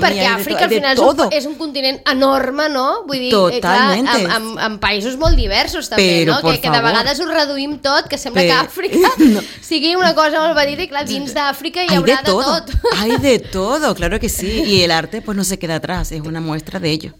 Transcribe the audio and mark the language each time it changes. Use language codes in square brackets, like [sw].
[es] Porque África al final es un continente enorme, ¿no? [ca] Vull dir, [es] totalmente. En países muy diversos también. Pero, no? [ca] que de vegades ho reduïm tot, que sembla que Àfrica no. sigui una cosa molt petita i clar, dins d'Àfrica hi haurà de tot. [es] Hay de todo, claro que sí. Y el arte pues no se queda atrás, es una muestra de ello.